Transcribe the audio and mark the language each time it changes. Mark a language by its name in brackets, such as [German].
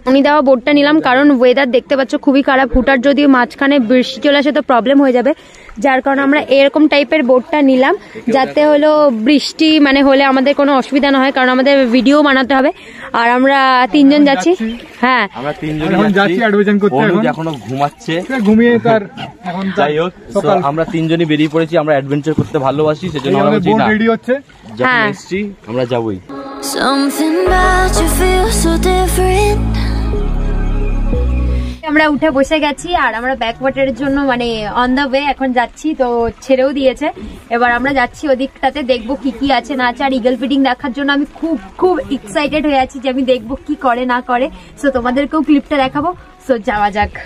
[Bangla] আমি দেওয়া বোর্ডটা নিলাম কারণ ওয়েদার দেখতে পাচ্ছ খুবই খারাপ, হুটার যদি মাঝখানে বৃষ্টি চলে আসে তো প্রবলেম হয়ে যাবে, যার কারণে আমরা এরকম টাইপের বোর্ডটা নিলাম যাতে হলো বৃষ্টি মানে হলে আমাদের কোনো অসুবিধা না হয়, কারণ আমাদের ভিডিও বানাতে হবে। আর আমরা তিনজন যাচ্ছি, হ্যাঁ আমরা তিনজন যাচ্ছি, অ্যাডভেশন করতে এখন এখনো ঘুমাচ্ছে, ঘুমিয়ে তার এখন যাই হোক, সো আমরা তিনজনই বেরিয়ে পড়েছি, আমরা অ্যাডভেঞ্চার করতে ভালোবাসি, সেজন্য আমরা বোর্ড রেডি হচ্ছে, যখন এসেছি আমরা যাবই। [English] Something about you feels so different. [Bangla] আমরা উঠে বসে গেছি আর আমরা ব্যাক ওয়াটারের জন্য মানে [English] on the way [Bangla] এখন যাচ্ছি, তো ছেড়েও দিয়েছে, এবার আমরা যাচ্ছি ওদিকটাতে দেখবো কি কি আছে না আছে। আর ইগল ফিডিং দেখার জন্য আমি খুব খুব এক্সাইটেড হয়ে আছি যে আমি দেখবো কি করে না করে, সো তোমাদেরকেও ক্লিপটা দেখাবো, সো যাওয়া যাক।